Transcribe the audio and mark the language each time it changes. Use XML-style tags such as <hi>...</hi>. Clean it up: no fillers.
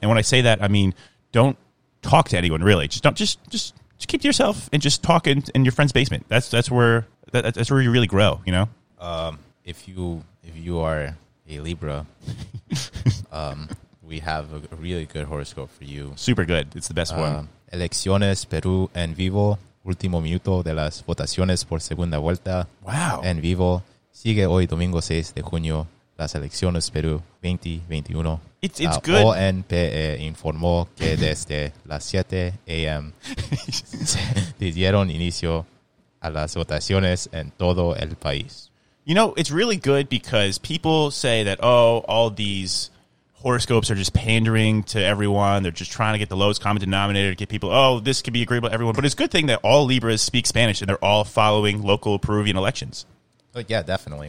<en>And when I say that, I mean don't talk to anyone, really. Just keep to yourself and just talk in your friend's basement. That's where you really grow, you know? If you are a Libra, we have a really good horoscope for you. Super good. It's the best one.</en> <es>Elecciones Peru en vivo. Último minuto de las votaciones por segunda vuelta.</es> <en>Wow.</en> <es>En vivo. Sigue hoy domingo 6 de junio. Las elecciones Perú 2021.</es> <en>It's good.</en> <es>ONPE informó que desde las 7 a.m. se dieron inicio a las votaciones en todo el país.</es> <en>You know, it's really good because people say that, oh, all these horoscopes are just pandering to everyone. They're just trying to get the lowest common denominator to get people, oh, this could be agreeable to everyone. But it's a good thing that all Libras speak Spanish and they're all following local Peruvian elections. But yeah, definitely.</en>